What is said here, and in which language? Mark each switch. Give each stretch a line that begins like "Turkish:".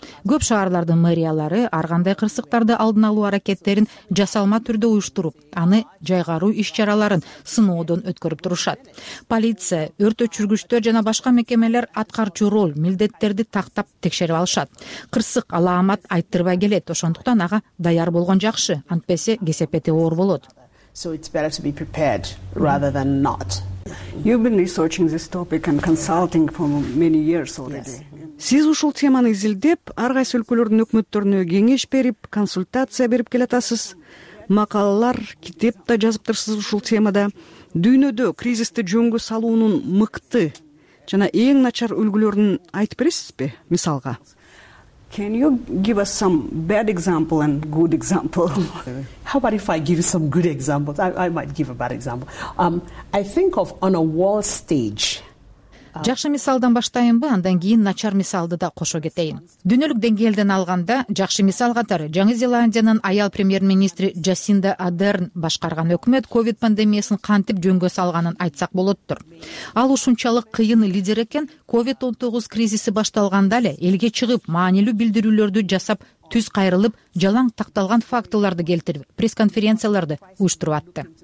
Kyrgyz: Көп шаарлардын мэриялары ар кандай кырсыктарды алдын алуу аракеттерин жасалма түрдө уюштуруп, аны жайгаруу иш чараларын сыноодон өткөрүп турушат. Полиция, өрт өчүргүчтөр жана башка мекемелер аткарчу рол милдеттерди тактап текшерип алышат. Кырсык алаамат айттырбай келет, ошондуктан ага даяр болгон жакшы, антпесе кесепети оор болот.
English: So it's better to be prepared rather than not. You've been researching this topic and consulting for many years already. Yes.
Kyrgyz: Сиз ушул теманы изилдеп, ар кайсы өлкөлөрдүн өкмөттөрүнө кеңеш берип, консультация берип келатасыз. Макалалар, китеп да жазыптырсыз ушул темада. Дүйнөдө кризисти жөнгө салуунун мыкты жана эң начар үлгүлөрүн айтып бересизби? Мисалга.
English: Can you give us some bad example and good example? How about if I give you some good examples? I might give a bad example. I think of on a wall stage.
Kyrgyz: Жакшы мисалдан баштайынбы, андан кийин начар мисалды да кошо кетейин. Дүйнөлүк деңгээлден алганда, жакшы мисал катары Жаңы Зеландиянын аял премьер-министри Джасинда Адерн башкарган өкмөт ковид пандемиясын кантип жөнгө салганын айтсак болоттур. Ал ушунчалык кыйын лидер экен, COVID-19 кризиси башталганда эле элге чыгып, маанилүү билдирүүлөрдү жасап, түз кайрылып, жалаң такталган фактыларды келтирип, пресс-конференцияларды уюштуруп атты.